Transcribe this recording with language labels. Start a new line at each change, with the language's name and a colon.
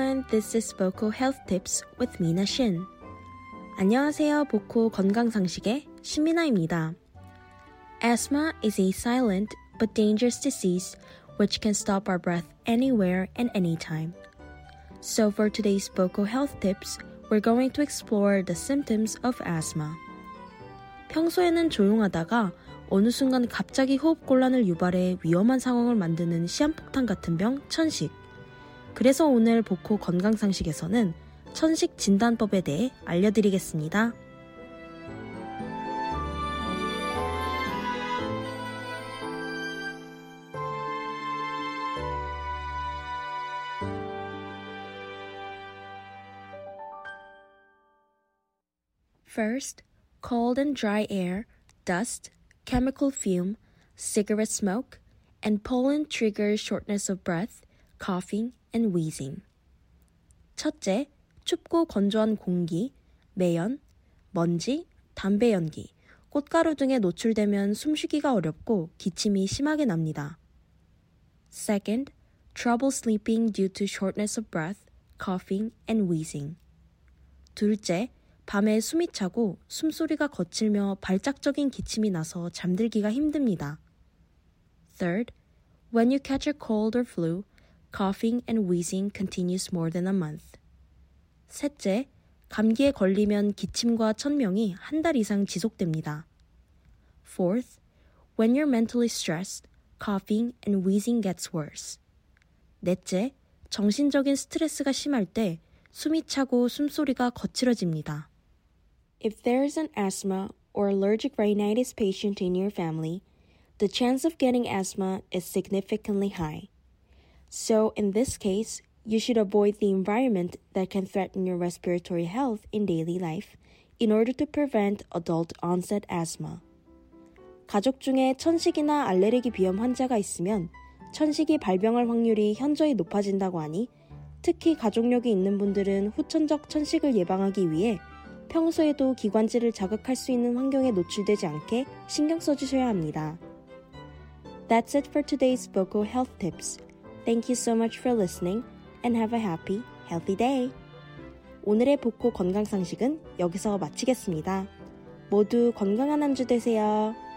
English: This is Boko Health Tips with Mina Shin.
Korean: 안녕하세요, Boko 건강상식의 신미나입니다.
English: Asthma is a silent but dangerous disease which can stop our breath anywhere and anytime. So for today's Boko Health Tips, we're going to explore the symptoms of asthma.
Korean: 평소에는 조용하다가 어느 순간 갑자기 호흡곤란을 유발해 위험한 상황을 만드는 시한폭탄 같은 병, 천식. 그래서 오늘 보코 건강상식에서는 천식 진단법에 대해 알려드리겠습니다.
English: First, cold and dry air, dust, chemical fume, cigarette smoke, and pollen trigger shortness of breath, coughing, and wheezing.
Korean: 첫째, 춥고 건조한 공기, 매연, 먼지, 담배 연기, 꽃가루 등에 노출되면 숨쉬기가 어렵고 기침이 심하게 납니다.
English: Second, trouble sleeping due to shortness of breath, coughing, and wheezing.
Korean: 둘째, 밤에 숨이 차고 숨소리가 거칠며 발작적인 기침이 나서 잠들기가 힘듭니다.
English: Third, when you catch a cold or flu, coughing and wheezing continues more than a month.
Korean: 셋째, 감기에 걸리면 기침과 천명이 한 달 이상 지속됩니다.
English: Fourth, when you're mentally stressed, coughing and wheezing gets worse.
Korean: 넷째, 정신적인 스트레스가 심할 때 숨이 차고 숨소리가 거칠어집니다.
English: If there is an asthma or allergic rhinitis patient in your family, the chance of getting asthma is significantly high. So in this case, you should avoid the environment that can threaten your respiratory health in daily life in order to prevent adult onset asthma.
Korean: 가족 중에 천식이나 알레르기 비염 환자가 있으면 천식이 발병할 확률이 현저히 높아진다고 하니 특히 가족력이 있는 분들은 후천적 천식을 예방하기 위해 평소에도 기관지를 자극할 수 있는 환경에 노출되지 않게 신경 써주셔야 합니다.
English: That's it for today's vocal health tips. Thank you so much for listening and have a happy, healthy day.
Korean: 오늘의 복고 건강 상식은 여기서 마치겠습니다. 모두 건강한 한 주 되세요.